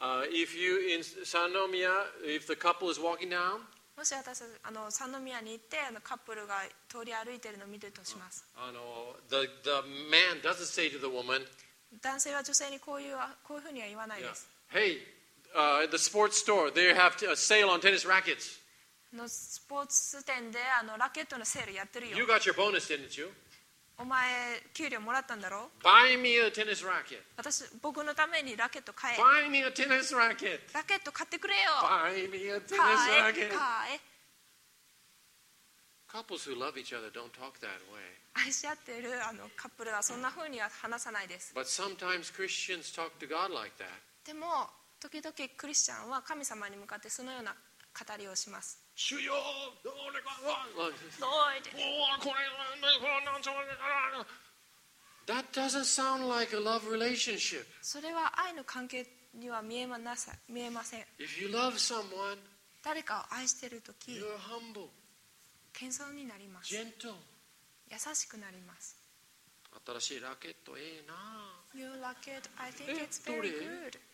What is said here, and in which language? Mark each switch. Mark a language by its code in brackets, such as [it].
[en] If you in Sanomiya, if the couple is walking down, [ja] もし私サノミヤに行ってカップルが通り歩いているのを見るとします。 [en] The man doesn't say to the woman, [ja] 男性は女性にこういうふうには言わないです。 [en] Yeah. Hey, the sports store, they have a sale on tennis rackets [ja] のスポーツ店でラケットのセールやってるよ。 [en] You got your bonus, didn't you? [ja] お前給料もらったんだろ。 [en] Buy me a tennis racket. [ja] 私僕のためにラケット買え。 [en] Buy me a tennis racket. [ja] ラケット買ってくれよ。 [en] Buy me a tennis racket. [ja] 買え。 [en] Couples who love each other don't talk that way. [ja] 愛し合ってるカップルはそんな風には話さないです。 [en] But sometimes Christians talk to God like that. [ja] でも時々クリスチャンは神様に向かってそのような語りをします。主よ、どれか、どいて、おお、これ、なんちゃら、 [en] That doesn't sound like a love relationship. [ja] それは愛の関係には見えません。 [en] If you love someone, [ja] 誰かを愛してるとき、 [en] you're humble. [ja] 謙遜になります。 [en] Gentle. [ja] 優しくなります。新しいラケット、ええな。 [en] New racket, I think it's very good.